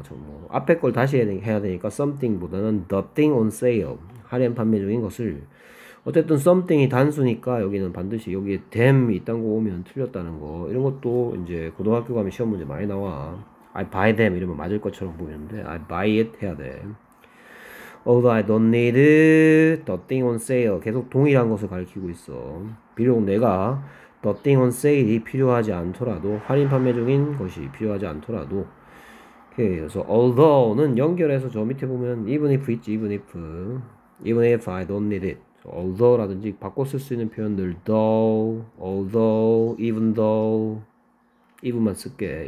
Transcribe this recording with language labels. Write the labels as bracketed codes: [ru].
[ko] 뭐좀뭐 앞에 걸 다시 해야 되니까 something보다는 [en] the thing on sale, [ko] 할인 판매 중인 것을. 어쨌든 something이 단수니까 여기는 반드시 여기에 them 이딴 거 오면 틀렸다는 거. 이런 것도 이제 고등학교 가면 시험 문제 많이 나와. [en] I buy them [ko] 이러면 맞을 것처럼 보이는데 [en] I buy it [ko] 해야 돼. [en] Although I don't need the thing on sale. [ko] 계속 동일한 것을 가리키고 있어. 비록 내가 [en] the thing on sale [ko] 이 필요하지 않더라도, 할인 판매 중인 것이 필요하지 않더라도. 오케이. 그래서 although는 연결해서 저 밑에 보면 even if 있지, even if. [en] Even if I don't need it. although라든지 [ko] 바꿔 쓸수 있는 표현들 [en] though, although, even though. even만 쓸게.